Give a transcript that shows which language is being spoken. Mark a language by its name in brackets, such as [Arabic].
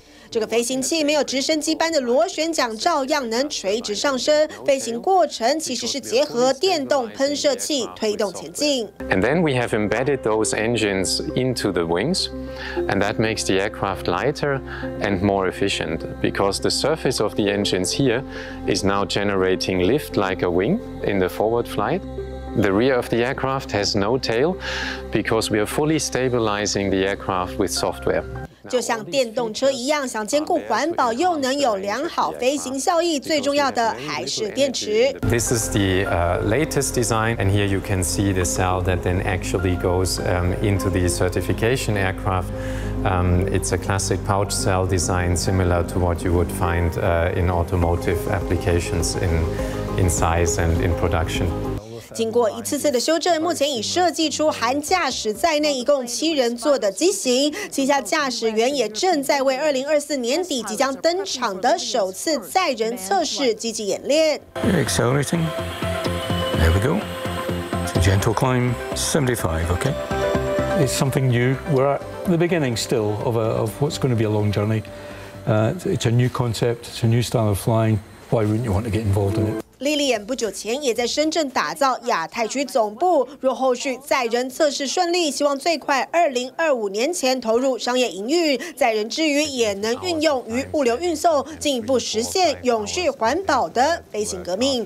[Chinese] 这个飞行器没有直升机般的螺旋桨，照样能垂直上升。飞行过程其实是结合电动喷射器推动前进。 [English] And then we have embedded those engines into the wings, and that makes the aircraft lighter and more efficient because the surface of the engines here is now generating lift like a wing in the forward flight. The rear of the aircraft has no tail because we are fully stabilizing the aircraft with software. [Chinese] 就像电动车一样，想兼顾环保又能有良好飞行效益，最重要的还是电池。 [English] This is the latest design, and here you can see the cell that then actually goes into the certification aircraft. It's a classic pouch cell design, similar to what you would find in automotive applications in size and in production. [Chinese] 经过一次次的修正，目前已设计出含驾驶在内一共7人座的机型。旗下驾驶员也正在为2024年底即将登场的首次载人测试积极演练。 [English] You're accelerating. There we go. It's a gentle climb. 75, okay. It's something new. We're at the beginning still of what's going to be a long journey. It's a new concept. It's a new style of flying. Why wouldn't you want to get involved in it? [Chinese] Lilium 不久前也在深圳打造亚太区总部，若后续载人测试顺利，希望最快2025年前投入商业营运。载人之余也能运用于物流运送，进一步实现永续环保的飞行革命。